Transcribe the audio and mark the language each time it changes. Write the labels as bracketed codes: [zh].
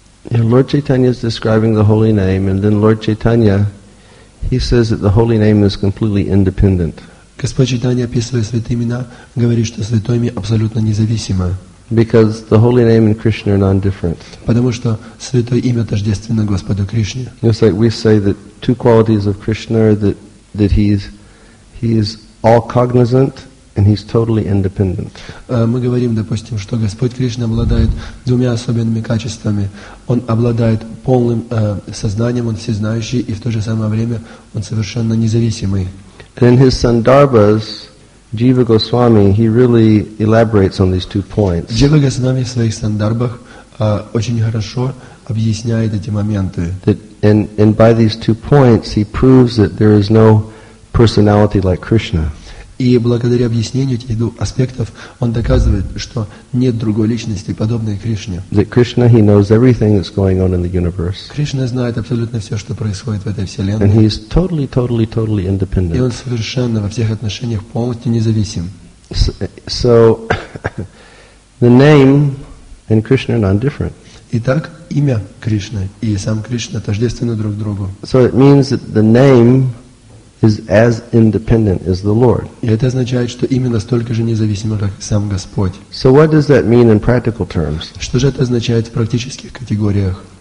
[en] And Lord Chaitanya is describing the holy name, and then Lord Chaitanya, he says that the holy name is completely independent. [ru] Господь Чайтанья, описывая святые имена, говорит, что святое имя абсолютно независимо. [en] Because the holy name and Krishna are non-different. [ru] Потому что святое имя тождественно Господу Кришне. [en] It's like we say that two qualities of Krishna are that he is all cognizant and he's totally independent. [ru] Мы говорим, допустим, что Господь Кришна обладает двумя особенными качествами. Он обладает полным сознанием, он всезнающий, и в то же самое время он совершенно независимый. [en] In his Sandarbhas, Jiva Goswami, he really elaborates on these two points. [ru] Jiva Goswami в своих Сандарбах очень хорошо объясняет эти моменты. [en] And by these two points, he proves that there is no personality like Krishna. [ru] И благодаря объяснению этих двух аспектов, он доказывает, что нет другой личности, подобной Кришне. [en] That Krishna, he knows everything that's going on in the universe. [ru] Кришна знает абсолютно все, что происходит в этой вселенной. [en] And he is totally, totally, totally independent. [ru] И он совершенно во всех отношениях полностью независим. [en] So the name and Krishna are non-different. [ru] Итак, имя Кришны и сам Кришна тождественны друг другу. [en] So it means that the name is as independent as the Lord. [ru] И это означает, что имя настолько же независимо, как сам Господь. [en] So what does that mean in practical terms? [ru] Что же это означает в практических категориях?